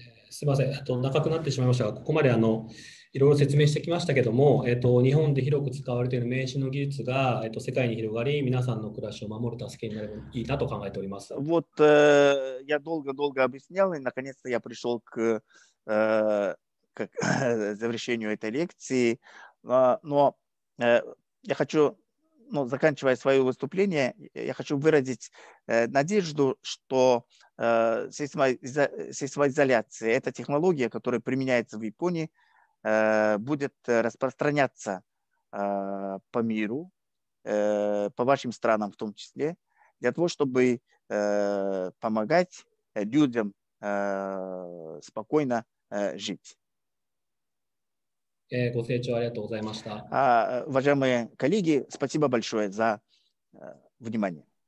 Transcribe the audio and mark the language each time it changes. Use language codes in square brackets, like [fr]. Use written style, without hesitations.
[ja] すみません、長くなってしまいましたが、ここまでいろいろ説明してきましたけども、日本で広く使われている免震の技術が、世界に広がり、皆さんの暮らしを守る助けになればいいなと考えております。 [ru] Вот, я долго-долго объяснял, и наконец-то я пришел к к завершению этой лекции. Но я хочу, ну, заканчивая свое выступление, я хочу выразить надежду, что сейсмоизоляция, эта технология, которая применяется в Японии, будет распространяться по миру, по вашим странам в том числе, для того, чтобы помогать людям спокойно жить. [ja] ご清聴ありがとうございました。 [ru] Уважаемые коллеги, спасибо большое за внимание.